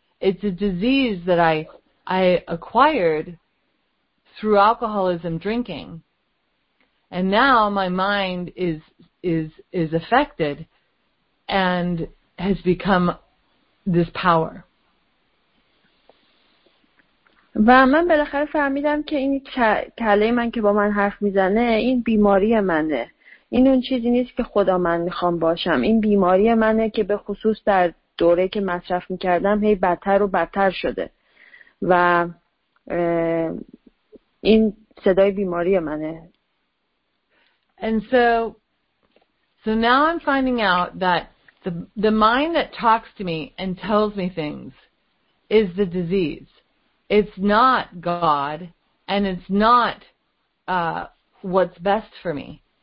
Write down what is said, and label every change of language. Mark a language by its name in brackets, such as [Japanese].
[English] It's a disease that I acquired through alcoholism drinking, and now my mind is affected and has become this power. [Persian] و من بالاخره فهمیدم که این کله من که با من حرف میزنه این بیماری منه، این اون چیزی نیست که خدا من میخوام باشم، این بیماری منه که به خصوص در دوره که مصرف میکردم هی بدتر و بدتر شده و این صدای بیماری منه. [English] And so now I'm finding out that the mind that talks to me and tells me things is the disease. It's not God and it's not what's best for me.